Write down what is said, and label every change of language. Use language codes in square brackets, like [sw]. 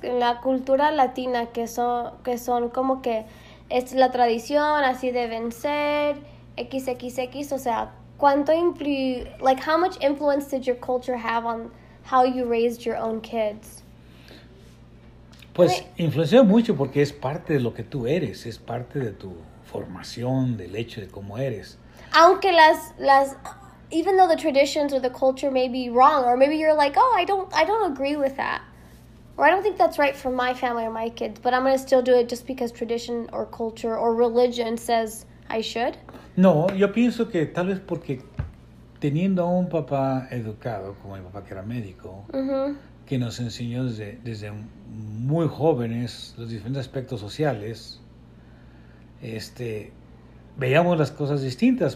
[es] En la cultura latina, que son como que es la tradición, así deben ser, XXX, o sea, ¿cuánto influye, [en] like, how much influence did your culture have on how you raised your own kids? [es] Pues influenció mucho porque es parte de lo que tú eres, es parte de tu formación, del hecho de cómo eres. Aunque las [en] even though the traditions or the culture may be wrong, or maybe you're like, oh, I don't agree with that. Or I don't think that's right for my family or my kids, but I'm gonna still do it just because tradition or culture or religion says I should. [es] No, yo pienso que tal vez porque teniendo a un papá educado, como mi papá que era médico, que nos enseñó desde muy jóvenes los diferentes aspectos sociales, veíamos las cosas distintas.